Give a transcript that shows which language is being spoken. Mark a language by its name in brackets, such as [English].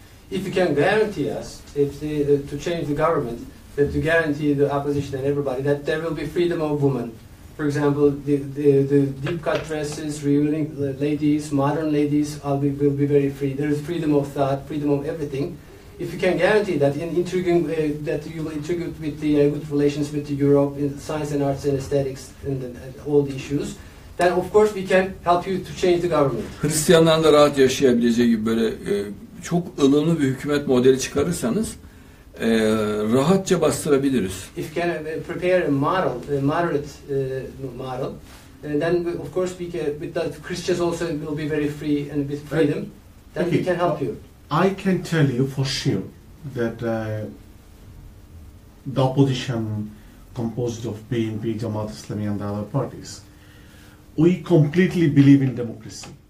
[English] If you can guarantee us to change the government, that to guarantee the opposition and everybody that there will be freedom of women, for example, the deep cut dresses, revealing ladies, modern ladies will be very free. There is freedom of thought, freedom of everything. If you can guarantee that in intriguing that you will intrigue with the good relations with the Europe in science and arts and aesthetics and all the issues, then of course we can help you to change the government. [Turkish] Hristiyanların da rahat yaşayabileceği gibi böyle çok ılımlı bir hükümet modeli çıkarırsanız rahatça bastırabiliriz. [English] If you can prepare a model, a moderate model, and then we, of course we can, with the Christians also will be very free and with freedom, then okay. We can help you. I can tell you for sure that the opposition composed of BNP, Jamaat Islami and other parties, we completely believe in democracy.